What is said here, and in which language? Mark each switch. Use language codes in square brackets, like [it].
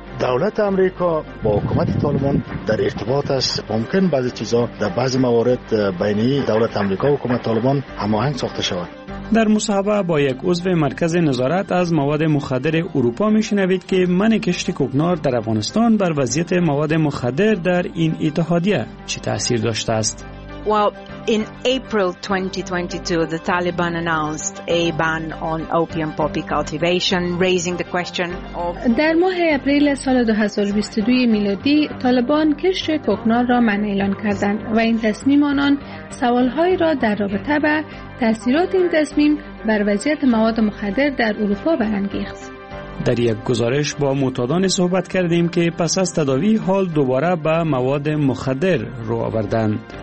[fa] دولت امریکا با حکومت طالبان در ارتباط است ممکن بعضی چیزا در بعضی موارد بین دولت امریکا و حکومت طالبان هماهنگ ساخته شود در مصاحبه با یک عضو مرکز نظارت از مواد مخدر اروپا میشنوید که من کشت کوکنار در افغانستان بر وضعیت مواد مخدر در این اتحادیه چه تأثیر داشته است [en] In April 2022, the Taliban announced a ban on opium poppy cultivation, raising the question of. [fa] در ماه اپریل سال 2022 میلادی، طالبان کشت کوکنار را منع اعلان کردند و این تصمیم آنان سوالهای را در رابطه با تأثیرات این تصمیم بر وضعیت مواد مخدر در اروپا برانگیخت. در یک گزارش با معتادان صحبت کردیم که پس از تداوی حال دوباره به مواد مخدر رو آوردند.